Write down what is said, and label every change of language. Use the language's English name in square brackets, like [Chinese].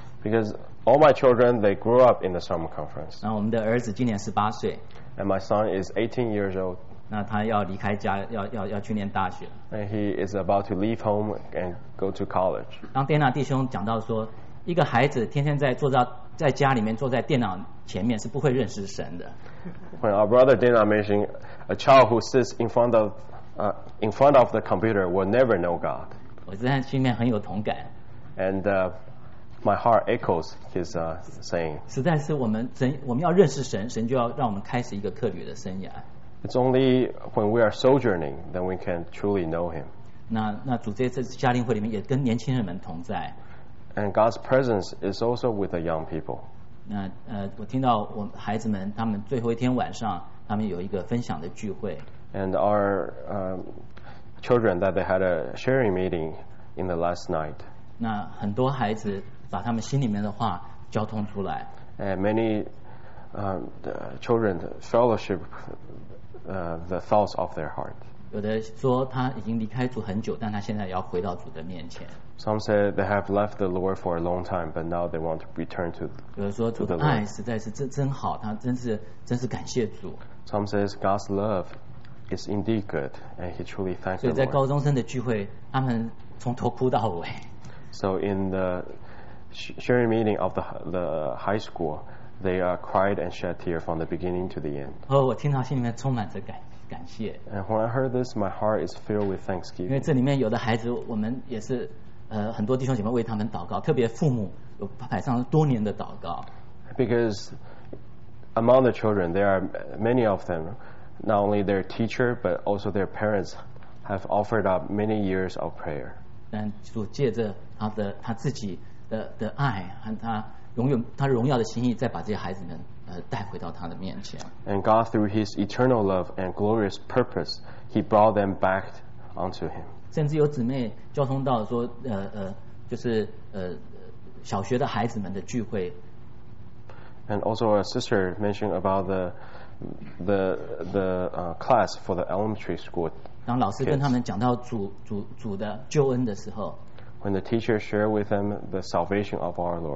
[English] Because all my children, they grew up in the summer conference. [Chinese] 那我们的儿子今年18岁。 [English] And my son is 18 years old. [Chinese] 那他要离开家，要去念大学。 [English] And he is about to leave home and go to college. [Chinese] 当电脑弟兄讲到说，一个孩子天天在家里面坐在电脑前面是不会认识神的。 [English] When our brother Dana mentioned a child who sits in front of the computer will never know God. [Chinese] 我真的心里面很有同感。 [English] And my heart echoes his saying. [Chinese] 实在是我们要认识神，神就要让我们开始一个客旅的生涯。 [English] It's only when we are sojourning that we can truly know him. [Chinese] 那主这次夏令会里面也跟年轻人们同在。 [English] And God's presence is also with the young people. [Chinese] 那我听到我孩子们他们最后一天晚上他们有一个分享的聚会。 [English] And our children that they had a sharing meeting in the last night. [Chinese] 那很多孩子。把他们心里面的话交通出来。 [English] And many children fellowship the thoughts of their heart. [Chinese] 有的说他已经离开主很久，但他现在要回到主的面前。 [English] Some say they have left the Lord for a long time, but now they want to return to the Lord. [Chinese] 有的说主的爱实在是真好，他真是感谢主。 [English] Some say God's love is indeed good, and he truly thanks the Lord. [Chinese] 所以在高中生的聚会，他们从头哭到尾。 [English] So in the sharing meeting of the high school, they cried and shed tears from the beginning to the end. [Chinese] Oh, 我听到心里面充满着感谢。 [English] And when I heard this, my heart is filled with thanksgiving. [Chinese] 因为这里面有的孩子，我们也是很多弟兄姐妹为他们祷告，特别父母有摆上多年的祷告。 [English] Because among the children, there are many of them, not only their teacher but also their parents have offered up many years of prayer. [Chinese] 但主借着他的他自己的的爱和他拥有他荣耀的心意，再把这些孩子们带回到他的面前。 [English] And God, through His eternal love and glorious purpose, He brought them back unto Him. [Chinese] 甚至有姊妹交通到说，就是小学的孩子们的聚会。 [English] And also a sister mentioned about the class for the elementary school. [Chinese] 当老师跟他们讲到主的救恩的时候。 [English] When the teacher shared with them the salvation of our Lord.